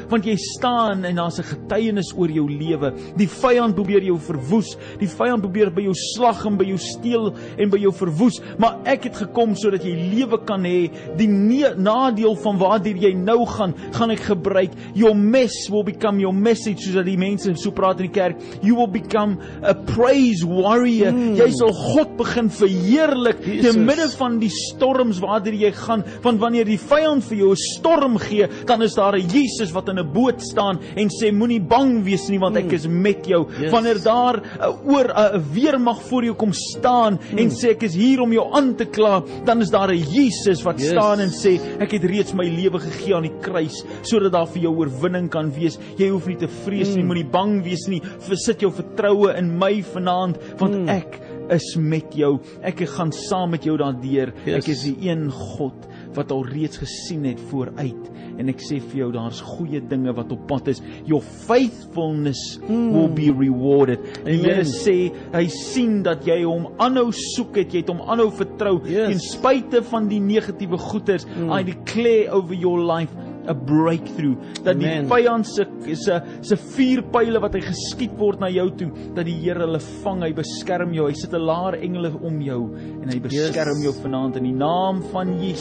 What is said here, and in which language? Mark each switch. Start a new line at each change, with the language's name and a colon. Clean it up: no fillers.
Afrikaans: Want jy staan en daar's 'n getuienis oor jou lewe. Die vyand probeer jou verwoes. Die vyand probeer by jou slag en by jou steel en by jou verwoes. Maar ek het gekom sodat jy lewe kan hê. Die nadeel van waartoe jy nou gaan, gaan ek gebruik.
English: Your mess will become your message,
Afrikaans: soos die mense so praat in die kerk.
English: You will become a praise warrior.
Afrikaans: Jy sal God begin verheerlik te midde van die storms waartoe jy gaan. Want wanneer die vyand vir jou 'n storm gee, dan is daar 'n Jesus wat in 'n boot staan en sê, moenie bang wees nie, want ek is met jou. Yes. Wanneer daar 'n weermag voor jou kom staan en sê, ek is hier om jou aan te kla, dan is daar 'n Jesus wat staan en sê, ek het reeds my lewe gegee aan die kruis, sodat daar vir jou oorwinning kan wees. Jy hoef nie te vrees nie, moenie bang wees nie, versit jou vertroue in my vanaand, want ek is met jou. Ek gaan saam met jou daardeur. Yes. Ek is die een God wat al reeds gesien het vooruit. En ek sê vir jou, daar's goeie dinge wat op pad is.
English: Your faithfulness will be rewarded.
Afrikaans: En jy sê, hy sien dat jy hom aanhou soek het, jy het hom aanhou vertrou, ten spyte van die negatiewe goeders.
English: I declare over your life a breakthrough,
Afrikaans: dat die vyand se vier pyle wat hy geskiet word na jou toe, dat die Here hulle vang, hy beskerm jou, hy sit 'n laar engele om jou, en hy beskerm jou vanaand, in die naam van Jesus.